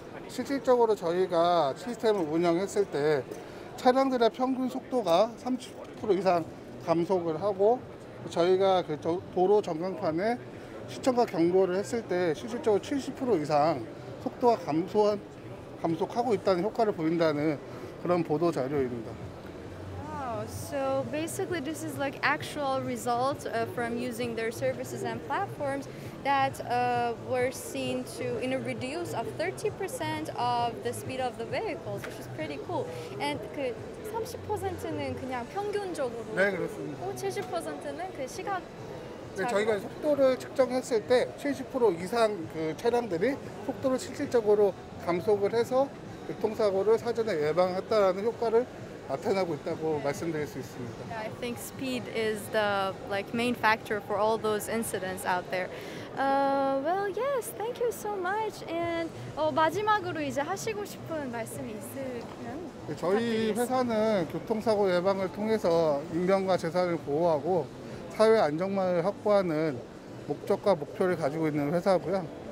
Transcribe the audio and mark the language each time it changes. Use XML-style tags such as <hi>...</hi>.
<ko>실질적으로 저희가 시스템을 운영했을 때 차량들의 평균 속도가 30% 이상 감속을 하고 저희가 그 도로 전광판에 시청각 경고를 했을 때 실질적으로 70% 이상 속도가 감속하고 있다는 효과를 보인다는 그런 보도 자료입니다.</ko> <en>So basically, this is like actual results from using their services and platforms that were seen to in a reduce of 30% of the speed of the vehicles, which is pretty cool. And</en> <ko>그 30%는 그냥 네, 평균적으로 그렇습니다. 그렇고 70%는 그 시각 저희가 속도를 측정했을 때 70% 이상 그 차량들이 속도를 실질적으로 감속을 해서 교통사고를 사전에 예방했다라는 효과를 나타내고 있다고 말씀드릴 수 있습니다.</ko> <en>I think speed is the like main factor for all those incidents out there. Well, yes, thank you so much. And</en> <ko>마지막으로 이제 하시고 싶은 말씀이 있으면 저희 부탁드리겠습니다. 회사는 교통사고 예방을 통해서 인명과 재산을 보호하고 사회 안전망을 확보하는 목적과 목표를 가지고 있는 회사고요.</ko>